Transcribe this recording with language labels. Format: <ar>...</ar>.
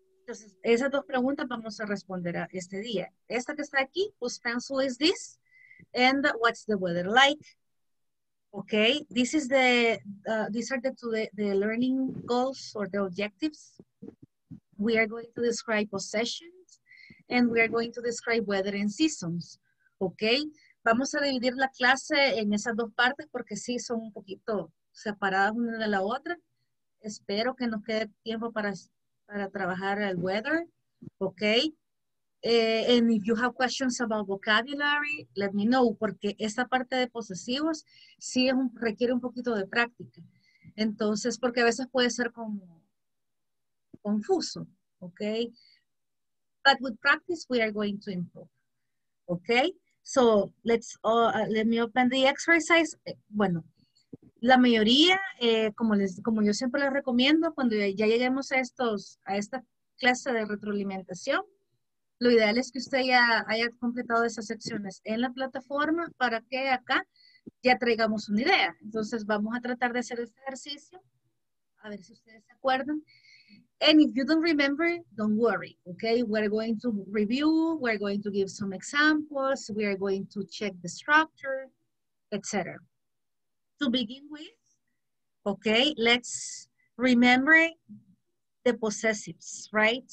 <es>Entonces, esas dos preguntas vamos a responder a este día. Esta que está aquí,</es> <en>whose pencil is this? And what's the weather like? ¿Ok? This is the, these are the learning goals or the objectives. We are going to describe possessions and we are going to describe weather and seasons, ¿ok?</en> <es>Vamos a dividir la clase en esas dos partes porque sí son un poquito separadas una de la otra. Espero que nos quede tiempo para trabajar el weather.</es> <en>Ok. And if you have questions about vocabulary, let me know,</en> <es>porque esta parte de posesivos sí requiere un poquito de práctica. Entonces, porque a veces puede ser como confuso.</es> <en>Ok. But with practice, we are going to improve. Ok. So, let me open the exercise. Bueno.</en> <es>La mayoría, como yo siempre les recomiendo, cuando ya lleguemos a esta clase de retroalimentación, lo ideal es que usted ya haya completado esas secciones en la plataforma para que acá ya traigamos una idea. Entonces vamos a tratar de hacer este ejercicio, a ver si ustedes se acuerdan.</es> <en>And if you don't remember, don't worry, okay? We're going to review, we're going to give some examples, we are going to check the structure, etc. To begin with, okay, let's remember the possessives, right?</en>